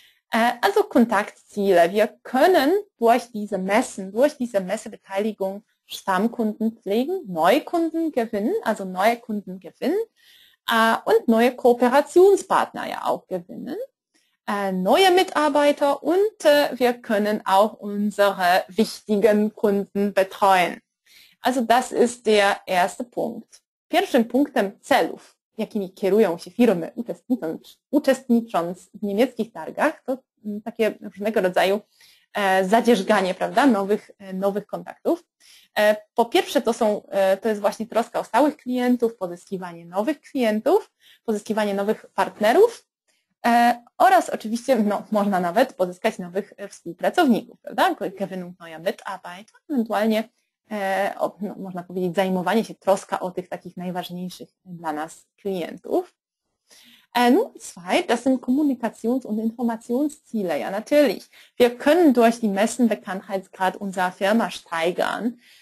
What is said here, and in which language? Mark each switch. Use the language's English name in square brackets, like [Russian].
[German] Also Kontaktziele. Wir können durch diese Messen, durch diese Messebeteiligung Stammkunden pflegen, Neukunden gewinnen, also neue Kunden gewinnen und neue Kooperationspartner ja auch gewinnen. Neue Mitarbeiter und wir können auch unsere wichtigen Kunden betreuen. Also das ist der erste Punkt. [Polish] Pierwszym punktem celów, jakimi kierują się firmy uczestnicząc w niemieckich targach, to takie różnego rodzaju zadzierżganie, prawda, nowych kontaktów. Po pierwsze to jest właśnie troska o stałych klientów, pozyskiwanie nowych klientów, pozyskiwanie nowych partnerów. Oraz oczywiście no, można nawet pozyskać nowych współpracowników, prawda? [German] Gewinnung neuer Mitarbeiter, [Polish] ewentualnie można powiedzieć zajmowanie się, troska o tych takich najważniejszych dla nas klientów. [German] Zwei, das sind Kommunikations- und Informationsziele. Ja, natürlich. Wir können durch die Messen Bekanntheitsgrad unserer Firma steigern.